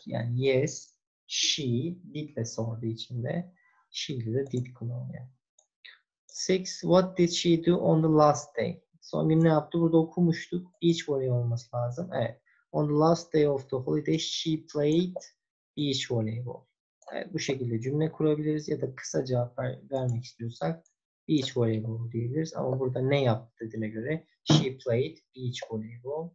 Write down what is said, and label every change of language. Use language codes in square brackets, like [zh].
[tr] Yani [en] yes, she did [tr] ile sorduğu için de she de did kullanıyor. [en] Six, what did she do on the last day? [tr] Son gün ne yaptı? Burada okumuştuk. Beach volley olması lazım. Evet. [en] On the last day of the holiday, she played beach volleyball. [tr] Evet, bu şekilde cümle kurabiliriz ya da kısa cevap vermek istiyorsak beach volleyball diyebiliriz. Ama burada ne yaptı dediğine göre [en] she played beach volleyball.